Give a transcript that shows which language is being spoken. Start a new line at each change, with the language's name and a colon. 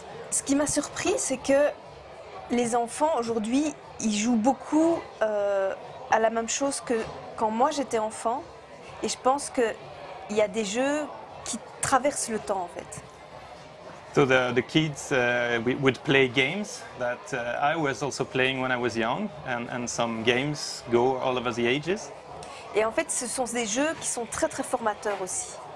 French: Ce qui m'a surpris, c'est que les enfants aujourd'hui, ils jouent beaucoup à la même chose que quand moi j'étais enfant. Et je pense que il y a des jeux qui traversent le temps, en fait.
English: So the kids would play games that I was also playing when I was young, and some games go all over the ages.
French: Et en fait, ce sont des jeux qui sont très très formateurs aussi.